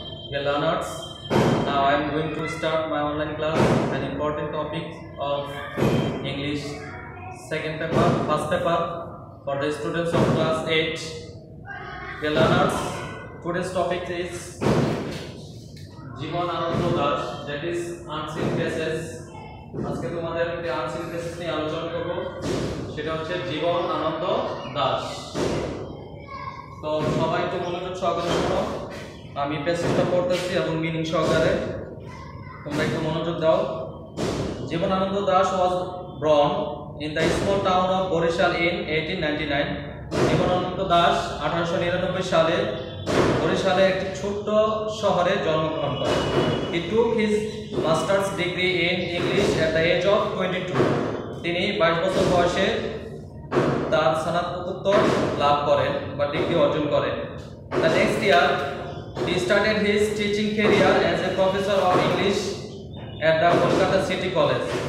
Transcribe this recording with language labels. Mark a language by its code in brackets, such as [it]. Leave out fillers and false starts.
[en] Dear learners, now I am going to start my online class, an important topic of English. Second paper, first paper for the students of class 8. Dear learners, today's topic is Jivan Anondo Dash, that is unseen faces. [bn] আজকে তোমাদের একটি unseen faces নিয়ে আলোচনা করব, সেটা হচ্ছে জীবন আনন্দ দাস। তো সবাই তো মনোযোগ সহকারে শোনো, আমি পেসেজটা পড়তেছি এবং মিনিং সহকারে তোমরা একটু মনোযোগ দাও। [en] Jibanananda Das was born in the small town of Barishal in 1899। [bn] জীবন আনন্দ দাস 1899 সালে বরিশালে একটি ছোট্ট শহরে জন্মগ্রহণ করেন। [en] He took his master's degree in English at the age of 22. [bn] তিনি 22 বছর বয়সে তার স্নাতকোত্তর লাভ করেন বা ডিগ্রি অর্জন করেন। [en] The next year, he started his teaching career as a professor of English at the Kolkata City College.